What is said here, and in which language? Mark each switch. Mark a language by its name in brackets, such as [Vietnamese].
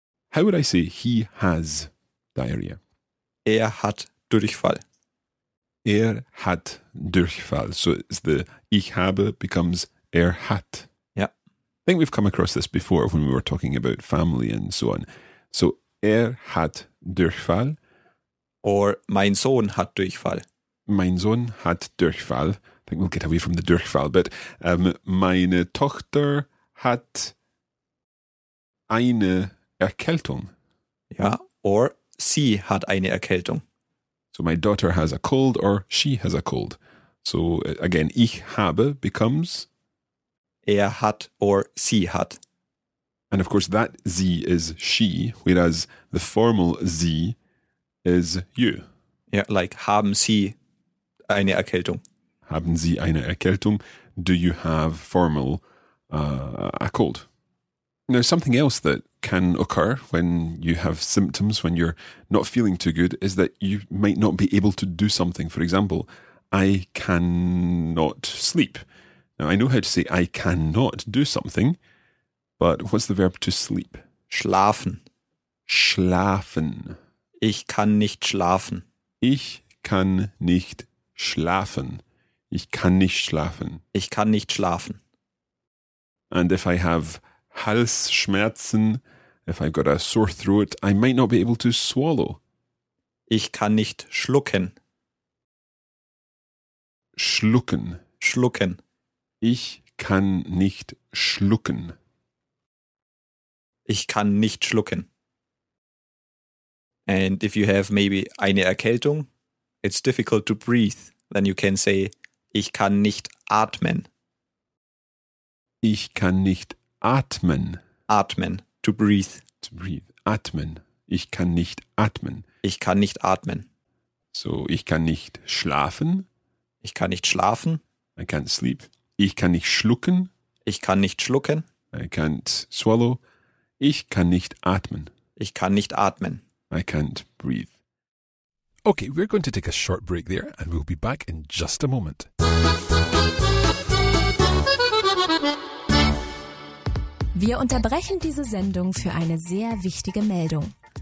[English] How would I say he has diarrhea? [German] Er hat Durchfall. Er hat Durchfall. [English] So it's the [German] ich habe [English] becomes [German] er hat. [English] Yeah. I think we've come across this before when we were talking about family and so on. [German] So er hat Durchfall. Or mein Sohn hat Durchfall. Mein Sohn hat Durchfall. [English] I think we'll get away from the Durchfall, but [German] meine Tochter hat eine Erkältung. [English] Yeah. [German] Or sie hat eine Erkältung. [English] So my daughter has a cold or she has a cold. So again, [German] ich habe [English] becomes? [German] Er hat or sie hat. [English] And of course that sie is she, whereas the formal sie is you. Yeah, like [German] haben sie eine Erkältung. Haben sie eine Erkältung? [English] Do you have formal a cold? Now, something else that can occur when you have symptoms, when you're not feeling too good, is that you might not be able to do something. For example, I cannot sleep. Now, I know how to say I cannot do something, but what's the verb to sleep? [German] Schlafen. Schlafen. Ich kann nicht schlafen. Ich kann nicht schlafen. Ich kann nicht schlafen. Ich kann nicht schlafen. [English] And if I have Halsschmerzen, if I've got a sore throat, I might not be able to swallow. [German] Ich kann nicht schlucken. Schlucken. Schlucken. Ich kann nicht schlucken. Ich kann nicht schlucken. [English] And if you have maybe eine Erkältung, it's difficult to breathe, then you can say, [German] ich kann nicht atmen. Ich kann nicht atmen. [English] Atmen. To breathe. To breathe. [German] Atmen. Ich kann nicht atmen. Ich kann nicht atmen. So, ich kann nicht schlafen. Ich kann nicht schlafen. [English] I can't sleep. [German] Ich kann nicht schlucken. Ich kann nicht schlucken. [English] I can't swallow. [German] Ich kann nicht atmen. Ich kann nicht atmen. [English] I can't breathe. Okay, we're going to take a short break there and we'll be back in just a moment. [German] Wir unterbrechen diese Sendung für eine sehr wichtige Meldung.